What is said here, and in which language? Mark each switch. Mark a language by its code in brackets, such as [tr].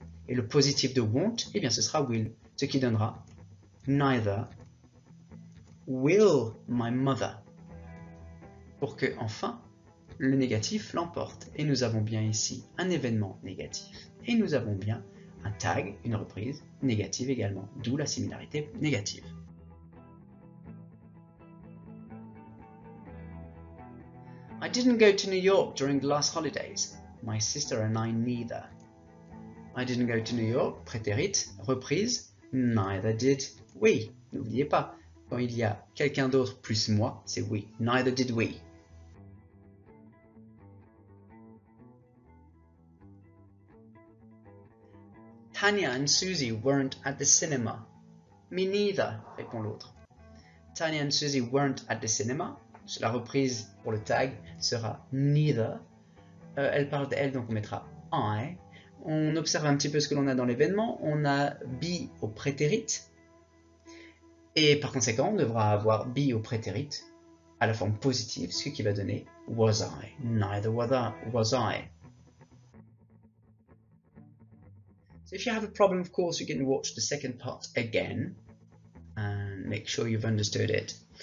[fr] Et le positif de won't, eh bien ce sera will, ce qui donnera [en] neither will my mother. [fr] Pour que enfin, le négatif l'emporte. Et nous avons bien ici un événement négatif et nous avons bien un tag, une reprise, négative également, d'où la similarité négative. [en] I didn't go to New York during the last holidays. My sister and I neither. I didn't go to New York, [fr] prétérit, reprise, [en] neither did we. [fr] N'oubliez pas, quand il y a quelqu'un d'autre plus moi, c'est we, [en] neither did we. Tanya and Susie weren't at the cinema. Me neither, [fr] répond l'autre. [en] Tanya and Susie weren't at the cinema. [fr] La reprise pour le tag sera [en] neither. [fr] Elle parle d'elle, donc on mettra I. On observe un petit peu ce que l'on a dans l'événement. On a be au prétérit. Et par conséquent, on devra avoir be au prétérit à la forme positive, ce qui va donner [en] was I. Neither was I. So if you have a problem, of course, you can watch the second part again and make sure you've understood it.